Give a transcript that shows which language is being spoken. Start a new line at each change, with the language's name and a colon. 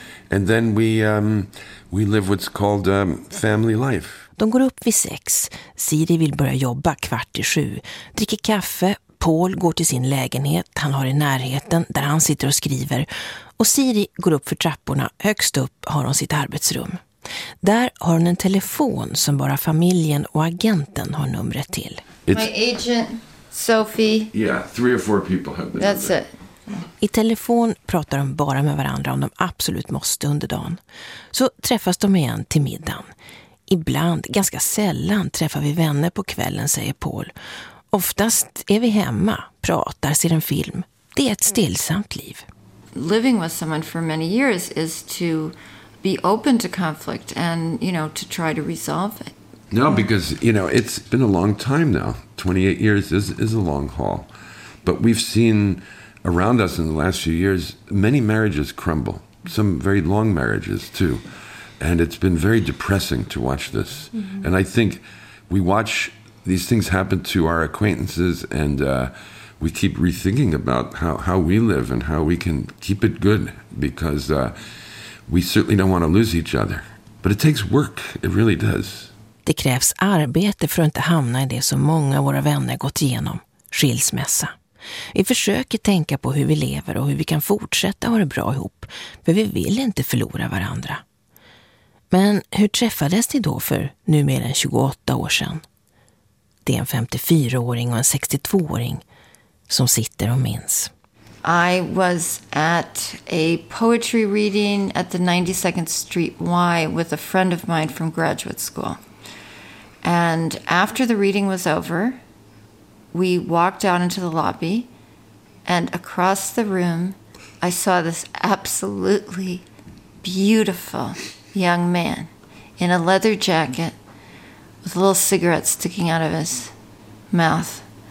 English: And then we live what's called family life.
Swedish: De går upp vid 6. Siri vill börja jobba 7:15, dricker kaffe. Paul går till sin lägenhet han har i närheten där han sitter och skriver och Siri går upp för trapporna. Högst upp har hon sitt arbetsrum. Där har hon en telefon som bara familjen och agenten har numret till.
English: My agent, Sophie. Yeah, 3 or 4 people have that. That's it.
Swedish: I telefon pratar de bara med varandra om de absolut måste under dagen. Så träffas de igen till middagen. Ibland, ganska sällan, träffar vi vänner på kvällen, säger Paul. Oftast är vi hemma, pratar, ser en film. Det är ett stillsamt liv.
English: Living with someone for many years is to be open to conflict and, you know, to try to resolve it. No, because, you know, it's been a long time now. 28 years is a long haul. But we've seen around us in the last few years many marriages crumble, some very long marriages too. And it's been very depressing to watch this. Mm-hmm. And I think we watch these things happen to our acquaintances and we keep rethinking about how we live and how we can keep it good because we certainly don't want to lose each other. But it takes work. It really does.
Swedish: Det krävs arbete för att inte hamna i det som många av våra vänner gått igenom. Skilsmässa. Vi försöker tänka på hur vi lever och hur vi kan fortsätta ha det bra ihop. För vi vill inte förlora varandra. Men hur träffades ni då för nu mer än 28 år sedan? Det är en 54-åring och en 62-åring som sitter och minns.
English: I was at a poetry reading at the 92nd Street Y with a friend of mine from graduate school. And after the reading was over, we walked out into the lobby and across the room I saw this absolutely beautiful young man in a leather jacket with a little cigarette sticking out of his mouth.